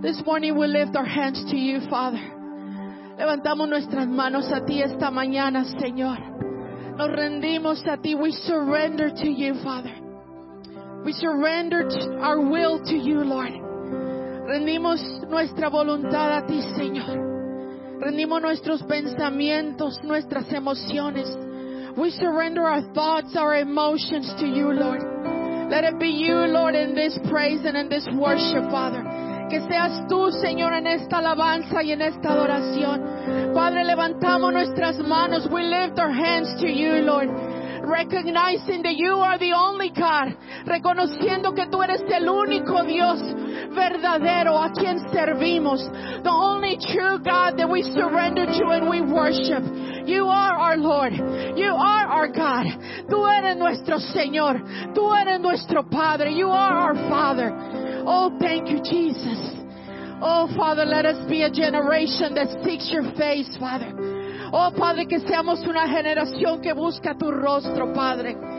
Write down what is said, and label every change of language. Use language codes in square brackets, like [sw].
[en] This morning we lift our hands to you, Father. [es] Levantamos nuestras manos a ti esta mañana, Señor. Nos rendimos a ti. [en] We surrender to you, Father. We surrender our will to you, Lord. [es] Rendimos nuestra voluntad a ti, Señor. Rendimos nuestros pensamientos, nuestras emociones. [en] We surrender our thoughts, our emotions to you, Lord. Let it be you, Lord, in this praise and in this worship, Father. [es] Que seas tú, Señor, en esta alabanza y en esta adoración. Padre, levantamos nuestras manos. [en] We lift our hands to you, Lord. Recognizing that you are the only God. [es] Reconociendo que tú eres el único Dios verdadero a quien servimos. [en] The only true God that we surrender to and we worship. You are our Lord. You are our God. [es] Tú eres nuestro Señor. Tú eres nuestro Padre. [en] You are our Father. Oh, thank you, Jesus. Oh, Father, let us be a generation that seeks your face, Father. [es] Oh, Padre, que seamos una generación que busca tu rostro, Padre.